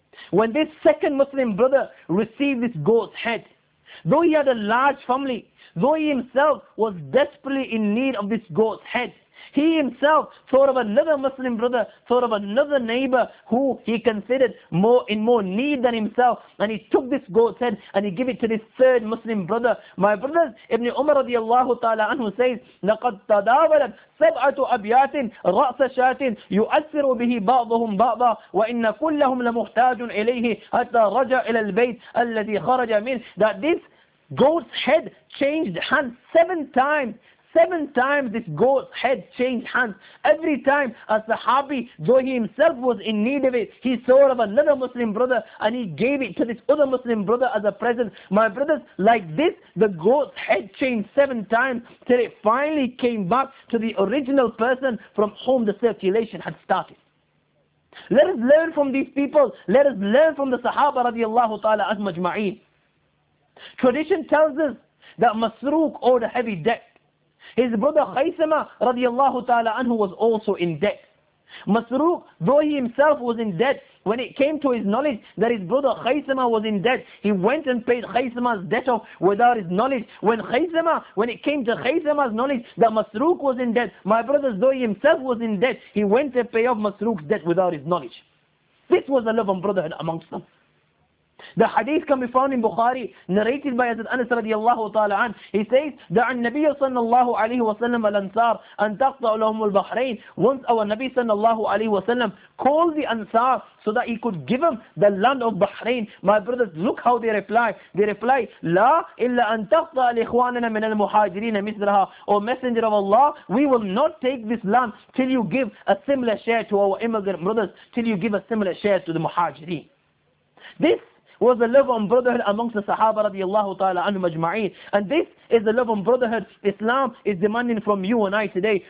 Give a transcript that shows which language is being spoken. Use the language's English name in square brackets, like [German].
[English] When this second Muslim brother received this goat's head, though he had a large family, though he himself was desperately in need of this goat's head, he himself thought of another Muslim brother, thought of another neighbor who he considered more in more need than himself. And he took this goat's head and he gave it to this third Muslim brother. My brothers, Ibn Umar radiallahu ta'ala anhu says, [Arabic] لَقَدْ تَدَاوَلَتْ سَبْعَةُ أَبْيَاتٍ رَأْسَ شَاتٍ يُؤَثِّرُ بِهِ بَعْضُهُمْ بَعْضًا وَإِنَّ كُلَّهُمْ لَمُحْتَاجٌ إِلَيْهِ حَتَّى رَجَعَ إِلَى الْبَيْتِ الَّذِي خَرَجَ مِنْهِ. [English] That this goat's head changed hands 7 times. 7 times this goat's head changed hands. Every time a Sahabi, though he himself was in need of it, he thought of another Muslim brother and he gave it to this other Muslim brother as a present. My brothers, like this, the goat's head changed 7 times till it finally came back to the original person from whom the circulation had started. Let us learn from these people. Let us learn from the Sahaba radiallahu ta'ala anhum ajma'een. Tradition tells us that Masruq owed a heavy debt. His brother Khaisama radiallahu ta'ala anhu was also in debt. Masruq, though he himself was in debt, when it came to his knowledge that his brother Khaisama was in debt, he went and paid Khaisama's debt off without his knowledge. When it came to Khaisama's knowledge that Masruq was in debt, my brother, though he himself was in debt, he went to pay off Masruq's debt without his knowledge. This was the love and brotherhood amongst them. The hadith can be found in Bukhari, narrated by Hazrat Anas radiallahu ta'ala an. He says, [Arabic] دَعَ النَّبِيَ صَلَّى اللَّهُ عَلَيْهُ وَسَلَّمَ الْأَنْصَارِ أَنْ تَقْطَعُ لَهُمُ الْبَحْرَيْنِ. [English] Once our Nabi صلى الله عليه وسلم called the Ansar so that he could give them the land of Bahrain. My brothers, look how they reply. They reply, [Arabic] لَا إِلَّا أَنْ تَقْطَعَ لِإِخْوَانَنَا مِنَ الْمُحَاجِرِينَ مِثْلَهَا. [English] O Messenger of Allah, we will not take this land till you give a similar share to our immigrant brothers, till you give a similar share to the Muhajirin. This was the love and brotherhood amongst the Sahaba radiallahu ta'ala anhum ajma'een. And this is the love and brotherhood Islam is demanding from you and I today.